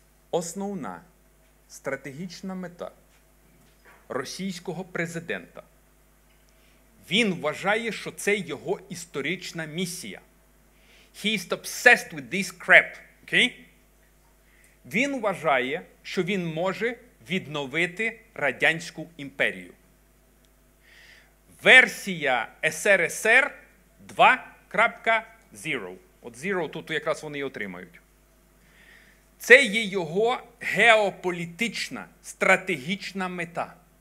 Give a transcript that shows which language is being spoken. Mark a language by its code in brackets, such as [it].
[uk] Основна стратегічна мета російського президента. Він вважає, що це його історична місія. [en] He is obsessed with this crap. Okay? [uk] Він вважає, що він може відновити Радянську імперію. Версія СРСР 2.0. От 0 тут якраз вони і отримають. Це є його геополітична, стратегічна мета.